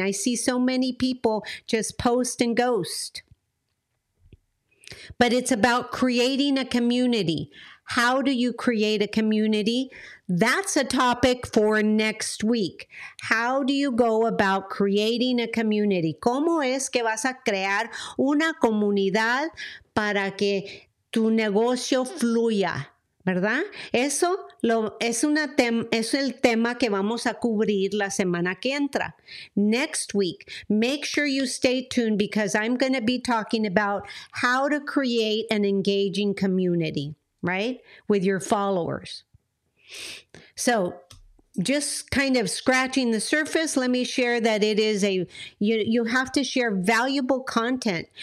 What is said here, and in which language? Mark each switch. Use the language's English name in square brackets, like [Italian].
[English] I see so many people just post and ghost. But it's about creating a community. How do you create a community? That's a topic for next week. How do you go about creating a community? [Spanish] ¿Cómo es que vas a crear una comunidad para que tu negocio fluya? ¿Verdad? Es el tema que vamos a cubrir la semana que entra. [English] Next week, make sure you stay tuned, because I'm going to be talking about how to create an engaging community, right? With your followers. So just kind of scratching the surface, let me share that it is you have to share valuable content.